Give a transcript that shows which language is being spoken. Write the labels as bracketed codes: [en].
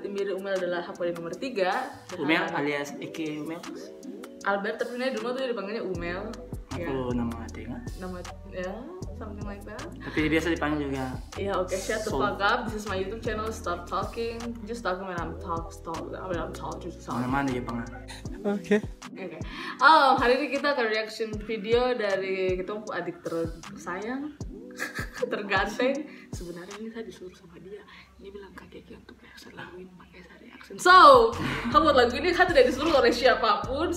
[id] Umel adalah hakwari nomor 3. Umel alias Iki Umel. Albert, tapi ini dulu tuh dipanggilnya Umel. Aku ya. Nama hati kan? Nama, ya, [en] something like that. [id] Tapi biasa dipanggil juga. Iya, oke, [en] okay. Shut the fuck up. This is my YouTube channel, stop talking. Just talking when I'm talking. [id] Mana dia panggil? Oke. [en] Okay. [id] Oh, hari ini kita ke reaction video dari ketemu adik tersayang. Terganteng. Sebenarnya ini saya disuruh sama dia. Ini bilang Kak Keke untuk reaction laguin, makanya saya reaction. So, kamu buat lagu ini kan tidak disuruh oleh siapapun.